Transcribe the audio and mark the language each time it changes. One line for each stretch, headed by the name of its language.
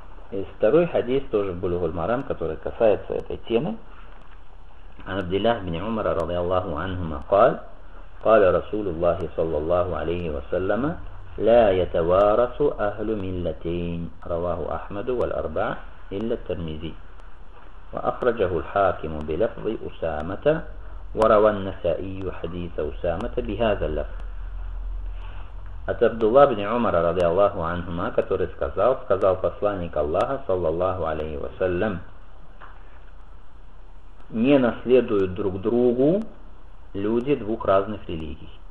Russian: И второй хадис тоже Булугу аль-Марам, который касается этой темы.
Arabic: عن عبد الله بن عمر رضي الله عنهما قال قال رسول الله صلى الله عليه وسلم لا يتوارث أهل ملتين رواه أحمد والأربعة إلا الترمذي وأخرجه الحاكم بلفظ أسامة وروى النسائي حديث أسامة بهذا اللفظ.
Russian: От Абдулла бин Умара
Arabic: رضي الله عنهما
Russian: который сказал посланник Аллаха
Arabic: صلى الله عليه وسلم
Russian: не наследуют друг другу люди двух разных религий.